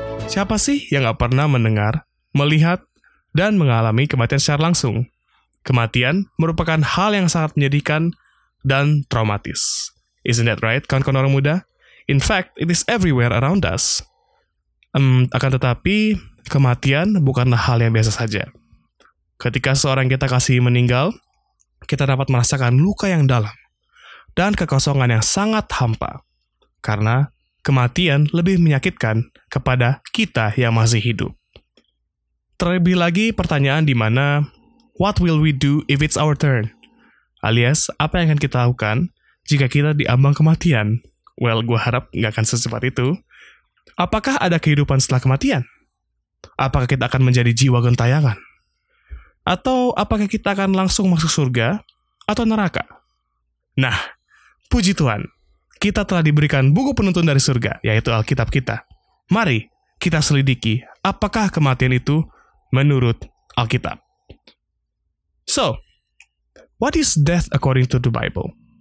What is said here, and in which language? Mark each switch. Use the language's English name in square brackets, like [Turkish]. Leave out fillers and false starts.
[Indonesian] Siapa sih yang gak pernah mendengar, melihat, dan mengalami kematian secara langsung? Kematian merupakan hal yang sangat menyedihkan dan traumatis. [English] Isn't that right, [Indonesian] kawan-kawan orang muda? [English] In fact, it is everywhere around us. [Indonesian] Akan tetapi, kematian bukanlah hal yang biasa saja. Ketika seorang kita kasih meninggal, kita dapat merasakan luka yang dalam dan kekosongan yang sangat hampa. Karena kematian lebih menyakitkan kepada kita yang masih hidup. Terlebih lagi pertanyaan di mana, [English] what will we do if it's our turn? [Indonesian] Alias, apa yang akan kita lakukan jika kita diambang kematian? Well, gue harap nggak akan secepat itu. Apakah ada kehidupan setelah kematian? Apakah kita akan menjadi jiwa gentayangan? Atau apakah kita akan langsung masuk surga atau neraka? Nah, puji Tuhan, kita telah diberikan buku penuntun dari surga, yaitu Alkitab kita. Mari kita selidiki apakah kematian itu menurut Alkitab. [English] So, what is death according to the Bible?